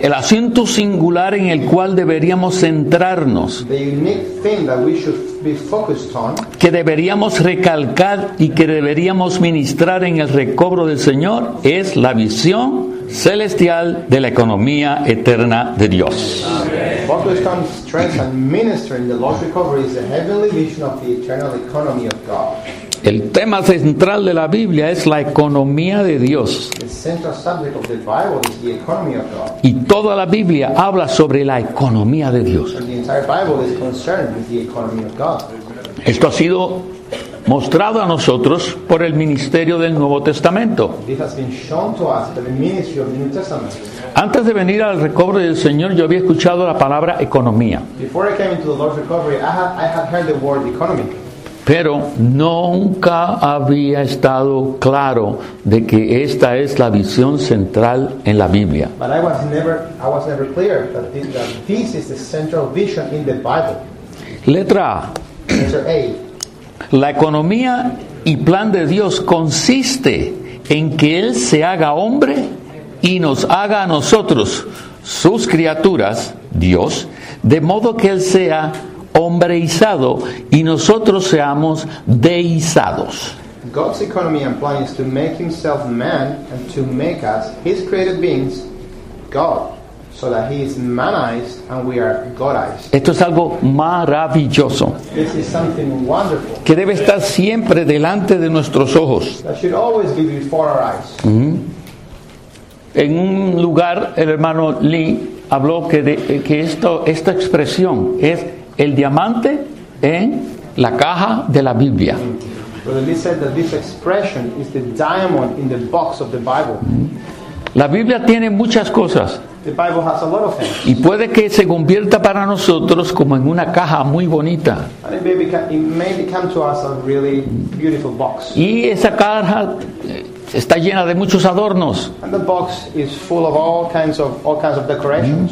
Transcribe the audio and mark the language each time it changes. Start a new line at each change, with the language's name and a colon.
Spanish: el asunto singular en el cual deberíamos centrarnos,
English: the unique thing that we should be focused on,
Spanish: que deberíamos recalcar y que deberíamos ministrar en el recobro del Señor, es la visión celestial de la economía eterna de Dios.
English: Focus on strength and ministering the Lord's recovery is the heavenly vision of the eternal economy of God.
Spanish: El tema central de la Biblia es la economía de Dios.
English: The central subject of the Bible is the economy of God.
Spanish: Y toda la Biblia habla sobre la economía de Dios.
English: And the entire Bible is concerned with the economy of God.
Spanish: Esto ha sido mostrado a nosotros por el ministerio del Nuevo Testamento.
English: This has been shown to us by the ministry of the New Testament.
Spanish: Antes de venir al recobro del Señor, yo había escuchado la palabra economía.
English: Before I came into the Lord's recovery, I had heard the word economy.
Spanish: Pero nunca había estado claro de que esta es la visión central en la Biblia.
English: But I was never clear that this is the central vision in the Bible.
Spanish: Letra A.
English: Letter A.
Spanish: La economía y plan de Dios consiste en que Él se haga hombre y nos haga a nosotros, sus criaturas, Dios, de modo que Él sea hombreizado y nosotros seamos deizados.
English: God's economy and plan is to make Himself man and to make us, His created beings, God, so that He is manized and we are Godized.
Spanish: Esto es algo maravilloso.
English: This is something wonderful.
Spanish: Que debe estar siempre delante de nuestros ojos.
English: That should always be before our eyes. Mm-hmm.
Spanish: En un lugar, el hermano Lee habló que esta expresión es el diamante en la caja de la Biblia.
English: Brother Lee said that this expression is the diamond in the box of the Bible.
Spanish: La Biblia tiene muchas cosas.
English: The Bible has a lot of things.
Spanish: Y puede que se convierta para nosotros como en una caja muy bonita.
English: And it may become to us a really beautiful box.
Spanish: Y esa caja está llena de muchos adornos.
English: And the box is full of all kinds of decorations.